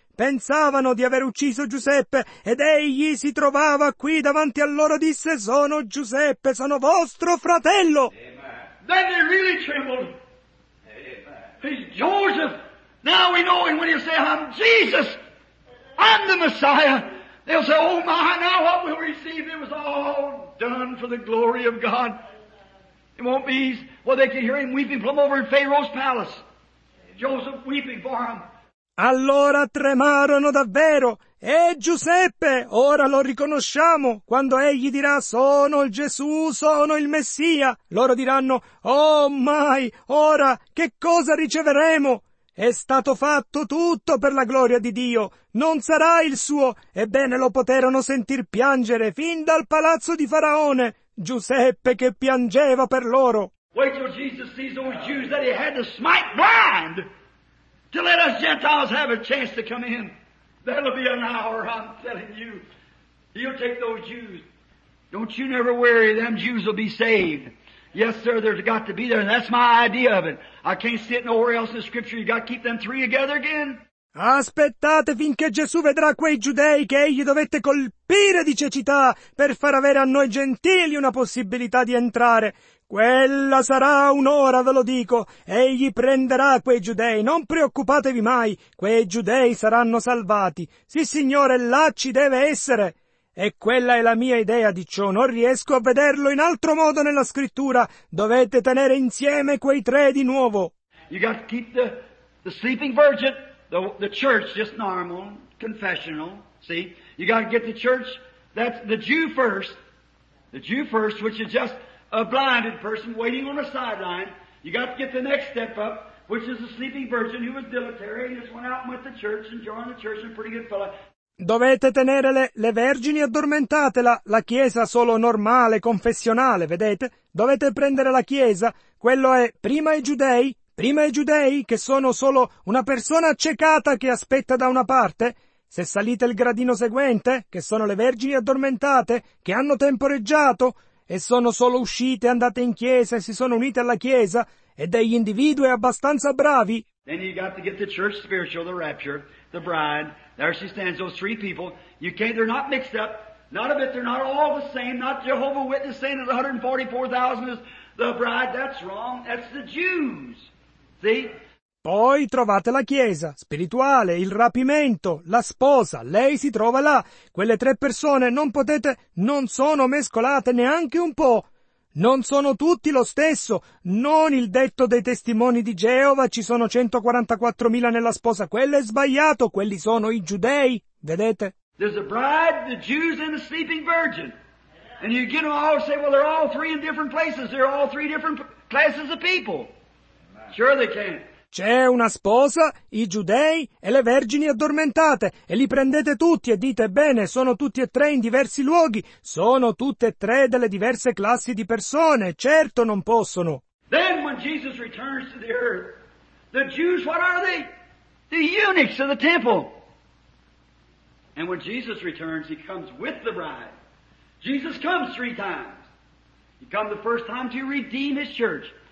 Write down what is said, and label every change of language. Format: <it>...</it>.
<it>Pensavano di aver ucciso Giuseppe, ed egli si trovava qui davanti a loro, disse, sono Giuseppe, sono vostro fratello.</it> <en>Then they really trembled. Amen. He's Joseph. Now we know, and when you say, I'm Jesus, I'm the Messiah, they'll say, oh my, now what we'll receive, it was all done for the glory of God. It won't be, well, they can hear him weeping from over in Pharaoh's palace. Joseph weeping for him.</en> <it>Allora tremarono davvero. E Giuseppe, ora lo riconosciamo, quando egli dirà, sono il Gesù, sono il Messia. Loro diranno, oh mai, ora, che cosa riceveremo? È stato fatto tutto per la gloria di Dio, non sarà il suo. Ebbene, lo poterono sentir piangere, fin dal palazzo di Faraone, Giuseppe che piangeva per loro.</it> <en>Wait till Jesus sees those Jews that he had to smite blind, to let us Gentiles have a chance to come in. That'll be an hour, I'm telling you. He'll take those Jews. Don't you never worry, them Jews will be saved. Yes, sir, they've got to be there, and that's my idea of it. I can't see it nowhere else in Scripture. You got to keep them three together again.</en> <it>Aspettate finché Gesù vedrà quei giudei che egli dovette colpire di cecità per far avere a noi gentili una possibilità di entrare. Quella sarà un'ora, ve lo dico. Egli prenderà quei giudei, non preoccupatevi mai. Quei giudei saranno salvati. Sì, signore, là ci deve essere. E quella è la mia idea di ciò. Non riesco a vederlo in altro modo nella Scrittura. Dovete tenere insieme quei tre di nuovo.</it> <en>You got to keep the sleeping virgin, the church, just normal, confessional, see? You got to get the church, that's the Jew first, which is just a blinded person waiting on a sideline. You got to get the next step up, which is a sleeping virgin who was dilatory and just went out and went to church and joined the church, a pretty good fellow.</en> <it>Dovete tenere le vergini addormentate, la chiesa solo normale, confessionale, vedete? Dovete prendere la chiesa, quello è prima i giudei che sono solo una persona accecata che aspetta da una parte. Se salite il gradino seguente, che sono le vergini addormentate, che hanno temporeggiato, e sono solo uscite, andate in chiesa e si sono unite alla chiesa, e degli individui abbastanza bravi.</it> <en>Then you got to get the church spiritual, the rapture, the bride. There she stands, those three people. You can't, they're not mixed up. Not a bit, they're not all the same. Not Jehovah Witness saying that 144,000 is the bride. That's wrong. That's the Jews. See?</en> <it>Poi trovate la chiesa, spirituale, il rapimento, la sposa, lei si trova là. Quelle tre persone non sono mescolate neanche un po'. Non sono tutti lo stesso, non il detto dei testimoni di Geova, ci sono 144,000 nella sposa, quello è sbagliato, quelli sono i giudei, vedete?</it> <en>There's a bride, the Jews and the sleeping virgin. And you get them all and say, well, they're all three in different places, they're all three different classes of people. Sure they can.</en> <it>c'è una sposa, i giudei e le vergini addormentate, e li prendete tutti e dite, bene, sono tutti e tre in diversi luoghi, sono tutte e tre delle diverse classi di persone, certo non possono.</it> <en>Then when Jesus returns to the earth, the Jews, what are they? The eunuchs of the temple. And when Jesus returns, he comes with the bride. Jesus comes three times. He comes the first time to redeem his church.</en>